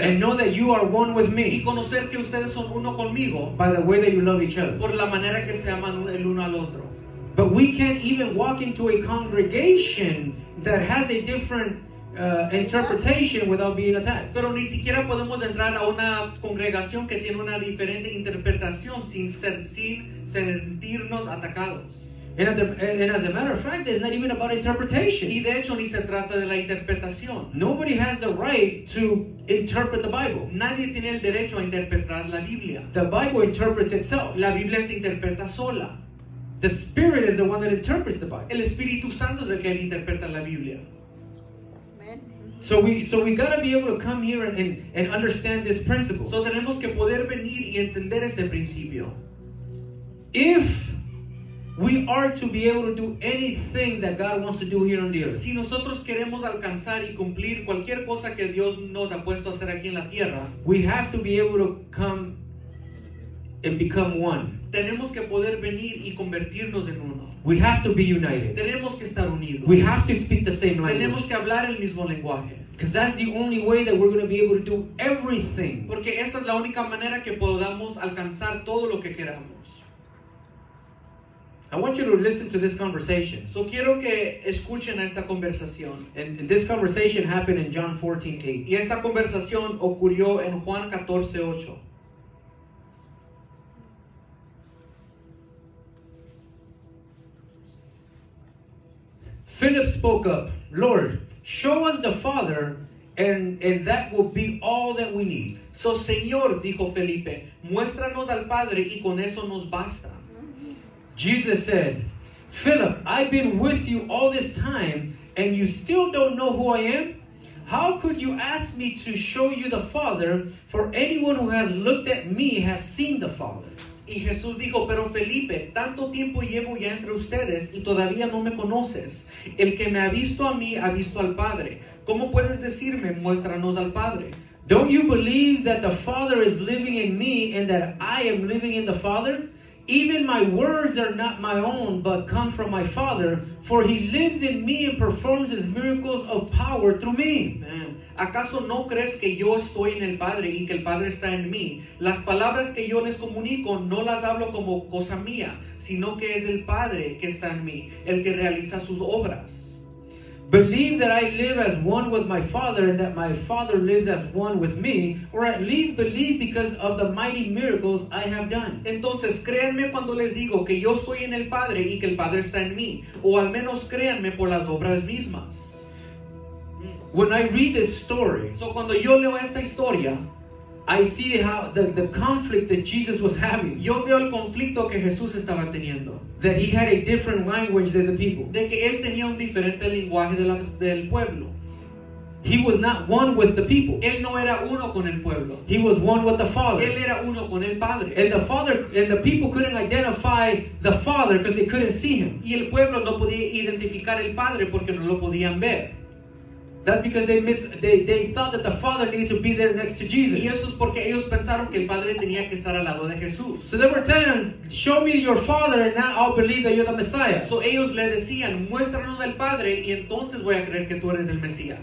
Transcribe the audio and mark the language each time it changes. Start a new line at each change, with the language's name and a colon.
English: And know that you are one with me.
Spanish: Y conocer que ustedes son uno conmigo.
English: By the way that you love each other.
Spanish: Por la manera que se aman el uno al otro.
English: But we can't even walk into a congregation that has a different interpretation without being attacked.
Spanish: Pero ni siquiera podemos entrar a una congregación que tiene una diferente interpretación sin sentirnos atacados.
English: And as a matter of fact, it's not even about interpretation.
Spanish: Y de hecho ni se trata de la interpretación.
English: Nobody has the right to interpret the Bible.
Spanish: Nadie tiene el derecho a interpretar la Biblia.
English: The Bible interprets itself.
Spanish: La Biblia se interpreta sola.
English: The Spirit is the one that interprets the Bible.
Spanish: El Espíritu Santo es el que interpreta la Biblia.
English: Amen. So we got to be able to come here and understand this principle.
Spanish: So tenemos que poder venir y entender este principio.
English: If we are to be able to do anything that God wants to do here on the earth.
Spanish: Si nosotros queremos alcanzar y cumplir cualquier cosa que Dios nos ha puesto a hacer aquí en la tierra,
English: we have to be able to come and become one.
Spanish: Tenemos que poder venir y convertirnos en uno.
English: We have to be united.
Spanish: Tenemos que estar unidos.
English: We have to speak the same language.
Spanish: Tenemos que hablar el mismo lenguaje.
English: Because that's the only way that we're going to be able to do everything.
Spanish: Porque esa es la única manera que podamos alcanzar todo lo que queramos.
English: I want you to listen to this conversation.
Spanish: So quiero que escuchen a esta conversación.
English: And this conversation happened in John 14:8.
Spanish: Y esta conversación ocurrió en Juan 14:8.
English: Philip spoke up, Lord, show us the Father, and that will be all that we need.
Spanish: So, Señor, dijo Felipe, muéstranos al Padre, y con eso nos basta.
English: Jesus said, Philip, I've been with you all this time, and you still don't know who I am? How could you ask me to show you the Father? For anyone who has looked at me has seen the Father.
Spanish: Y Jesús dijo, pero Felipe, tanto tiempo llevo ya entre ustedes y todavía no me conoces. El que me ha visto a mí ha visto al Padre. ¿Cómo puedes decirme, muéstranos al Padre?
English: Don't you believe that the Father is living in me and that I am living in the Father? Even my words are not my own, but come from my Father, for he lives in me and performs his miracles of power through me. Man.
Spanish: ¿Acaso no crees que yo estoy en el Padre y que el Padre está en mí? Las palabras que yo les comunico no las hablo como cosa mía, sino que es el Padre que está en mí, el que realiza sus obras.
English: Believe that I live as one with my Father and that my Father lives as one with me, or at least believe because of the mighty miracles I have done.
Spanish: Entonces, créanme cuando les digo que yo estoy en el Padre y que el Padre está en mí, o al menos créanme por las obras mismas.
English: When I read this story,
Spanish: so cuando yo leo esta historia,
English: I see how the conflict that Jesus was having.
Spanish: Yo veo el conflicto que Jesús estaba teniendo.
English: That he had a different language than the people.
Spanish: De que él tenía un diferente lenguaje del pueblo.
English: He was not one with the people.
Spanish: Él no era uno con el pueblo.
English: He was one with the Father.
Spanish: Él era uno con el Padre.
English: And the Father and the people couldn't identify the Father because they couldn't see him.
Spanish: Y el pueblo no podía identificar el Padre porque no lo podían ver.
English: That's because they thought that the Father needed to be there next to Jesus.
Spanish: Y eso es porque ellos pensaron que el Padre tenía que estar al lado de Jesús.
English: So they were telling him, show me your Father and now I'll believe that you're the Messiah.
Spanish: So ellos le decían, muéstranos al Padre y entonces voy a creer que tú eres el Mesías.